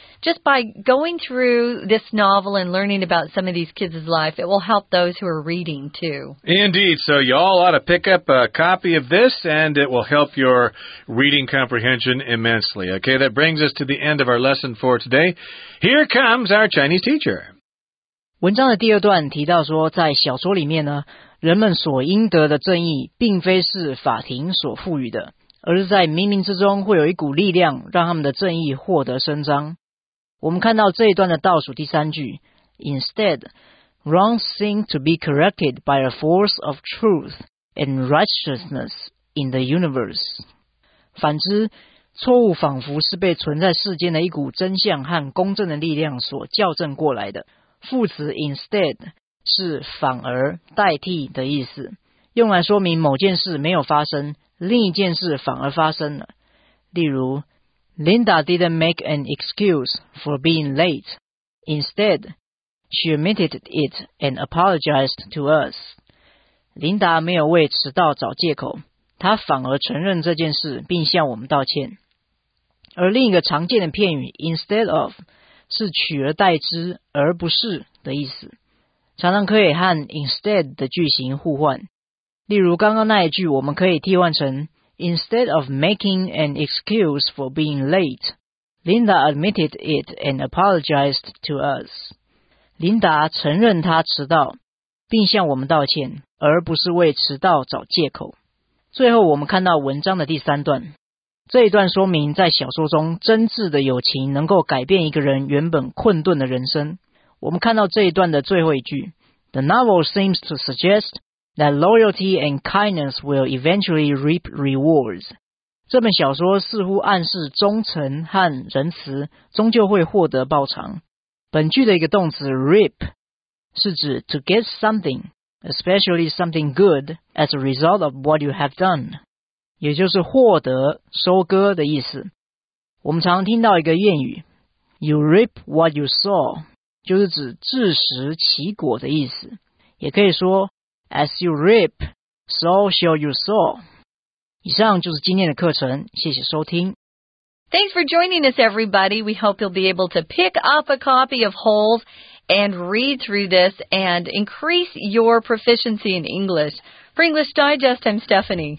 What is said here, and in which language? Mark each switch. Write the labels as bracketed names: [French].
[English] just by going through this novel and learning about some of these kids' life, it will help those who are reading, too. Indeed. So you all ought to pick up a copy of this, and it will help your reading comprehension immensely. Okay, that brings us to the end of our lesson for today. Here comes our Chinese teacher. [Chinese] 文章的第二段提到说，在小说里面呢，人们所应得的正义并非是法庭所赋予的，而是在冥冥之中会有一股力量让他们的正义获得伸张。我们看到这一段的倒数第三句 [English] Instead, wrongs seem to be corrected by a force of truth and righteousness in the universe. [Chinese] 反之，错误仿佛是被存在世间的一股真相和公正的力量所校正过来的。副词 instead 是反而、代替的意思，用来说明某件事没有发生，另一件事反而发生了。例如 [English] ，Linda didn't make an excuse for being late. Instead, she admitted it and apologized to us. [Chinese] 琳达没有为迟到找借口，她反而承认这件事并向我们道歉。而另一个常见的片语 instead of。是取而代之而不是的意思，常常可以和 instead 的句型互换。例如刚刚那一句，我们可以替换成 [English] Instead of making an excuse for being late, Linda admitted it and apologized to us. [Chinese] 琳达承认她迟到，并向我们道歉，而不是为迟到找借口。最后我们看到文章的第三段，这一段说明在小说中真挚的友情能够改变一个人原本困顿的人生。我们看到这一段的最后一句 [English] The novel seems to suggest that loyalty and kindness will eventually reap rewards. [Chinese] 这本小说似乎暗示忠诚和仁慈终究会获得报偿。本句的一个动词 [English] reap [Chinese] 是指 [English] to get something, especially something good, as a result of what you have done. [Chinese] 也就是获得、收割的意思。我们常听到一个谚语 [English] You reap what you sow, [Chinese] 就是指自食其果的意思。也可以说 [English] As you reap, so shall you sow. [Chinese] 以上就是今天的课程，谢谢收听。 [English] Thanks for joining us, everybody. We hope you'll be able to pick up a copy of Holes and read through this and increase your proficiency in English. For English Digest, I'm Stephanie.